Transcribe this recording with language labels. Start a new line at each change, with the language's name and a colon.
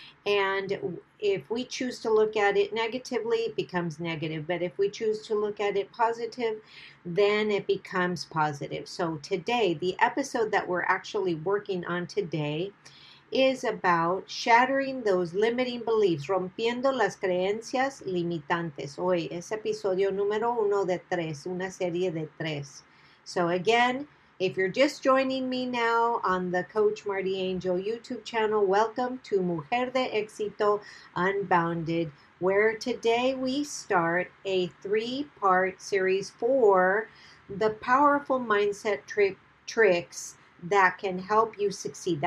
English: And if we choose to look at it negatively, it becomes negative. But if we choose to look at it positive, then it becomes positive. So today, the episode that we're actually working on today is about shattering those limiting beliefs,
Spanish: rompiendo las creencias limitantes. Hoy es episodio número 1 de 3, una serie de 3.
English: So again, if you're just joining me now on the Coach Marty Angel YouTube channel, welcome to Mujer de Éxito Unbounded, where today we start a 3-part series for the powerful mindset tricks that can help you succeed.